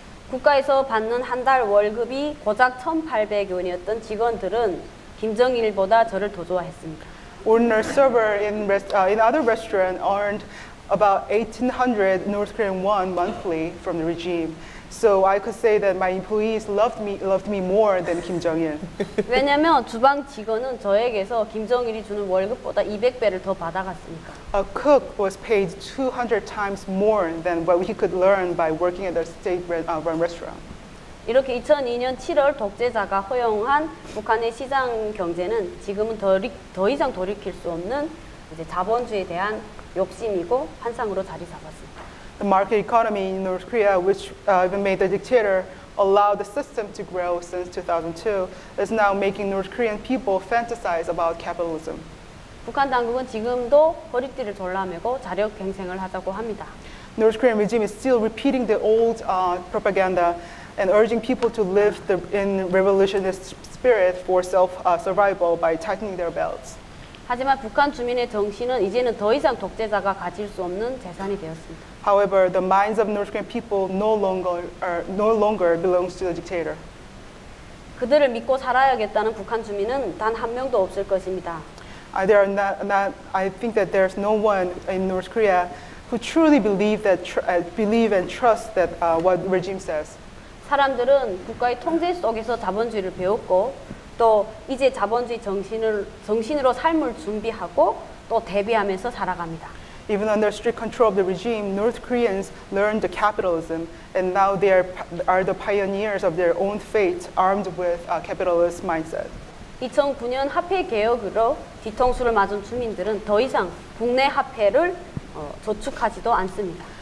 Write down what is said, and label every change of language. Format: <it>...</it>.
<ko>국가에서 받는 한 달 월급이 고작 1,800원이었던 직원들은 김정일보다 저를 더 좋아했습니다.</ko> <en>Ordinary server in other restaurant earned about 1,800 North Korean won monthly from the regime. So I could say that my employees loved me more than Kim Jong-il.</en> <ko>왜냐면 주방 직원은 저에게서 김정일이 주는 월급보다 200배를 더 받아갔으니까.</ko> <en>A cook was paid 200 times more than what he could learn by working at the state-run restaurant.</en> <ko>이렇게 2002년 7월 독재자가 허용한 북한의 시장 경제는 지금은 더 이상 돌이킬 수 없는 이제 자본주의에 대한 욕심이고 환상으로 자리 잡았습니다.</ko> <en>The market economy in North Korea, which even made the dictator allow the system to grow since 2002, is now making North Korean people fantasize about capitalism.</en> <ko>북한 당국은 지금도 허리띠를 졸라매고 자력 갱생을 하자고 합니다.</ko> <en>North Korean regime is still repeating the old propaganda and urging people to live in revolutionist spirit for self-survival by tightening their belts.</en> <ko>하지만 북한 주민의 정신은 이제는 더 이상 독재자가 가질 수 없는 재산이 되었습니다.</ko> <en>However, the minds of North Korean people no longer belongs to the dictator.</en> <ko>그들을 믿고 살아야겠다는 북한 주민은 단 한 명도 없을 것입니다.</ko> <en>I think that there's no one in North Korea who truly believe and trust that what regime says.</en> <ko>사람들은 국가의 통제 속에서 자본주의를 배웠고 또 이제 자본주의 정신으로 삶을 준비하고 또 대비하면서 살아갑니다.</ko> <en>Even under strict control of the regime, North Koreans learned the capitalism, and now they are the pioneers of their own fate, armed with a capitalist mindset.</en> <ko>2009년 화폐 개혁으로 뒤통수를 맞은 주민들은 더 이상 국내 화폐를 저축하지도 않습니다.</ko>